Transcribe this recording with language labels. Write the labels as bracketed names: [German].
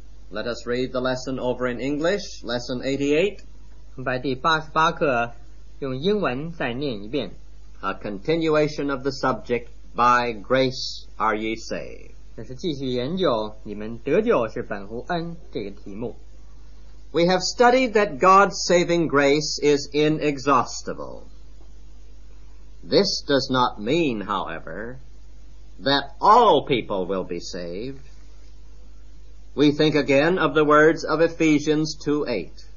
[English] Let us read the lesson over in English, lesson 88. [Chinese] 把第88课用英文再念一遍。 [English] A continuation of the subject, by grace are ye saved. [Chinese] 这是继续研究你们得救是本乎恩这个题目。 [English] We have studied that God's saving grace is inexhaustible. This does not mean, however, that all people will be saved. We think again of the words of Ephesians 2:8.